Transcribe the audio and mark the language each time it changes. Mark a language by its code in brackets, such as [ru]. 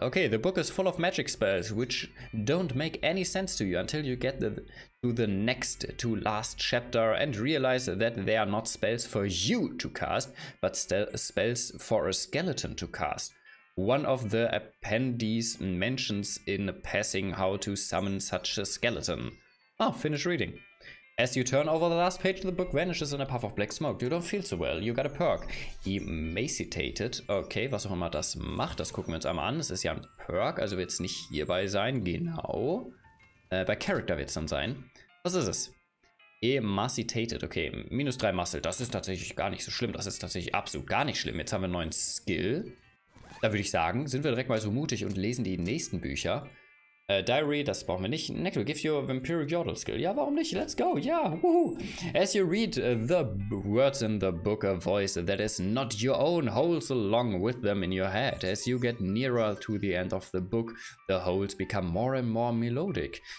[en] Okay, the book is full of magic spells, which don't make any sense to you until you get to the next to last chapter and realize that they are not spells for you to cast, but spells for a skeleton to cast. One of the appendices mentions in passing how to summon such a skeleton. Oh, finish reading. As you turn over the last page, the book vanishes in a puff of black smoke. You don't feel so well. You got a perk. Emaciated. [de] Okay, was auch immer das macht, das gucken wir uns einmal an. Es ist ja ein Perk, also wird es nicht hierbei sein. Genau. Bei Character wird es dann sein. Was ist es? Emaciated. Okay, minus 3 Muscle. Das ist tatsächlich gar nicht so schlimm. Das ist tatsächlich absolut gar nicht schlimm. Jetzt haben wir einen neuen Skill. Da würde ich sagen, sind wir direkt mal so mutig und lesen die nächsten Bücher. Diary, das brauchen wir nicht. [en] Next, we'll give you a Vampiric Yordle skill. [de] Ja, warum nicht? [en] Let's go. Ja, woohoo. As you read the words in the book, a voice that is not your own holds along with them in your head. As you get nearer to the end of the book, the holes become more and more melodic.